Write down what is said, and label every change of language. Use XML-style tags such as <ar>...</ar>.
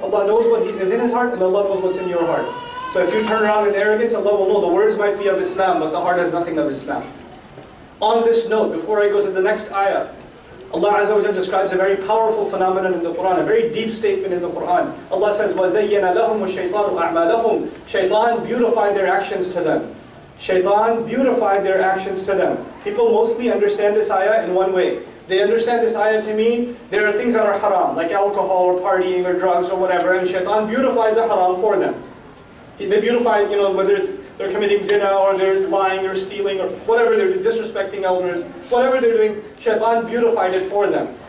<en>Allah knows what is in his heart, and Allah knows what's in your heart. So if you turn around in arrogance, Allah will know the words might be of Islam, but the heart has nothing of Islam. On this note, before I go to the next ayah, Allah Azza wa Jalla describes a very powerful phenomenon in the Quran, a very deep statement in the Quran. Allah says,</en> <ar>وَزَيَّنَ لَهُمُ الشَّيْطَانُ أَعْمَالَهُمْ.</ar> <en>Shaitan beautified their actions to them. Shaitan beautified their actions to them. People mostly understand this ayah in one way. They understand this ayah to mean there are things that are haram, like alcohol or partying or drugs or whatever, and shaitan beautified the haram for them. They beautify, you know, whether it's they're committing zina or they're lying or stealing or whatever, they're disrespecting elders, whatever they're doing, shaitan beautified it for them.</en>